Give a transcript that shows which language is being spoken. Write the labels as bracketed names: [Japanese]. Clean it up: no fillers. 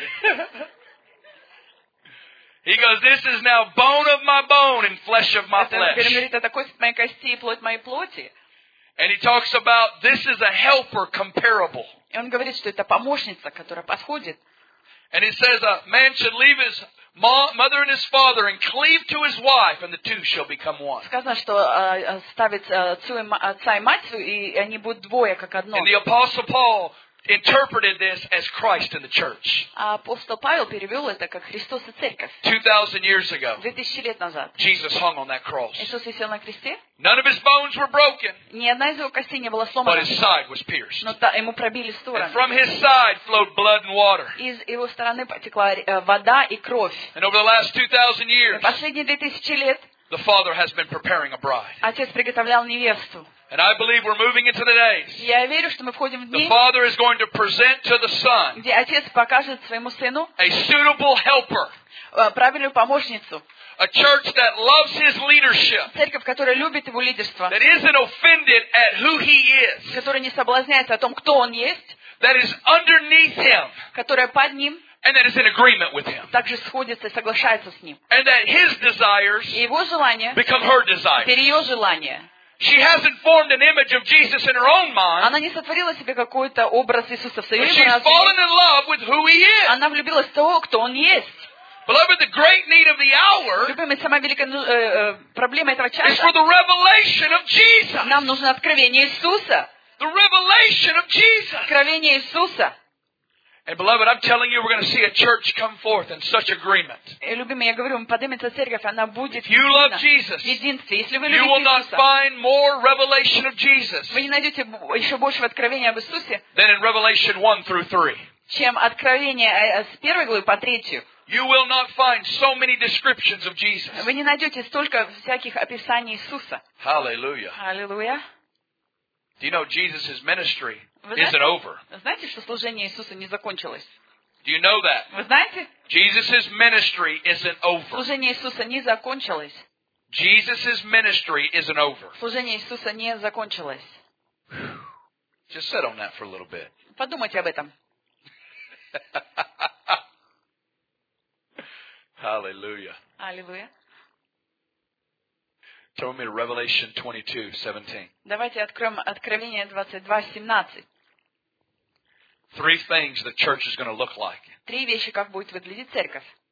[English] All right. He goes, "This is now bone of my bone and flesh of my flesh." [Russian] Это говорит, это кость моей кости и плоть моей плоти. [English] And he talks about this is a helper comparable. [Russian] И он говорит, что это помощница, которая подходит. [English] And he says a man should leave his mother and his father and cleave to his wife, and the two shall become one. [Russian] Сказано, что ставит отца и мать, и они будут двое как одно. [English] And the apostle Paul interpreted this as Christ in the church. [Russian] Апостол Павел перевел это как Христос и церковь. [English] 2,000 years ago. [Russian] 2,000 лет назад. [English] Jesus hung on that cross. [Russian] Иисус висел на кресте. [English] None of his bones were broken. [Russian] Ни одна из его костей не была сломана. [English] But his side was pierced. [Russian] Но ему пробили стороны. [English] And from his side flowed blood and water. [Russian] Из его стороны потекла вода и кровь. [English] And over the last 2,000 years. [Russian] Последние 2,000 лет. [English] The Father has been preparing a bride. [Russian] Отец приготовлял невесту. [English] And I believe we're moving into the days. [Russian] Я верю, что мы входим в дни. [English] The Father is going to present to the Son. [Russian] Где отец покажет своему сыну. [English] A suitable helper. [Russian] Правильную помощницу. [English] A church that loves his leadership. [Russian] Церковь, которая любит его лидерство. [English] That isn't offended at who he is. [Russian] Которая не соблазняется о том, кто он есть. [English] That is underneath him. [Russian] Которая под ним. [English] And that is in agreement with him. [Russian] Также сходится и соглашается с ним. [English] And that his desires. [Russian] Его желания. [English] Become her desires. [Russian] Теперь ее желания. [English] She hasn't formed an image of Jesus in her own mind. [Russian] Она не сотворила себе какой-то образ Иисуса в своей мысли. [English] She's fallen in love with who he is. [Russian] Она влюбилась в того, кто он есть. [English] Beloved, the great need of the hour. [Russian] Любимая, самая великая проблема этого часа. [English] Is for the revelation of Jesus. [Russian] Нам нужно откровение Иисуса. [English] The revelation of Jesus. [Russian] Откровение Иисуса. [English] And beloved, I'm telling you, we're going to see a church come forth in such agreement. [Russian] Любимый, я говорю, поднимется церковь, она будет. [English] You love Jesus. [Russian] Единство, если вы [English] You will not find more revelation of Jesus. [Russian] Вы не найдете еще больше откровения об Иисусе. [English] Than in Revelation 1-3. [Russian] Чем откровение с первой главы по третью. [English] You will not find so many descriptions of Jesus. [Russian] Вы не найдете столько всяких описаний Иисуса. [English] Hallelujah. Hallelujah. Do you know Jesus' ministry? [Russian] Знаете, что служение Иисуса не закончилось? [English] Do you know that? [Russian] Вы знаете? [English] Jesus's ministry isn't over. [Russian] Служение Иисуса не закончилось. [English] Jesus's ministry isn't over. [Russian] Служение Иисуса не закончилось. [English] Just sit on that for a little bit. [Russian] Подумайте об этом. [English] Hallelujah. Hallelujah. Turn with me to Revelation 22:17. [Russian] Давайте откроем Откровение 22:17. [English] Three things the church is going to look like. [Russian] Три вещи, как будет выглядеть церковь.